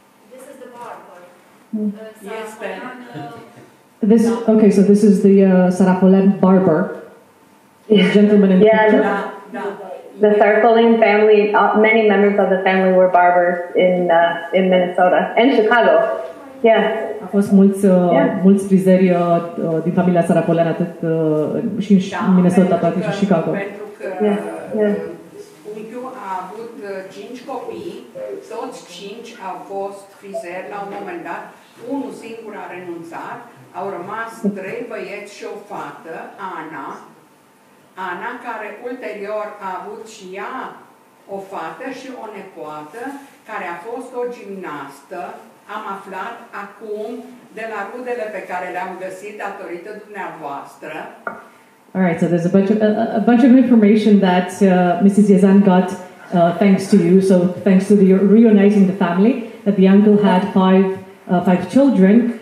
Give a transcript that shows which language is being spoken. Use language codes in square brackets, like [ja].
[en] This is the bar. Yes, Ben. This, okay, so this is the Sarapolem barber. Yeah. The gentleman in yeah, the The Sarapolem family, many members of the family were barbers in Minnesota and Chicago. Yeah. [ro] A fost mulți, mulți frizeri din familia Sarapolem, atât și în Minnesota, atât și în Chicago. Pentru că unchiul a avut 5 copii, toți 5 au fost frizeri la un moment dat, unul singur a renunțat, au rămas 3 băieți și o fată, Ana. Ana, care ulterior a avut și ea o fată și o nepoată, care a fost o gimnastă, am aflat acum de la rudele pe care le-am găsit datorită dumneavoastră. [en] All right, so there's a bunch of information that Mrs. Yazan got thanks to you. So thanks to the reuniting the family, that the uncle had five children.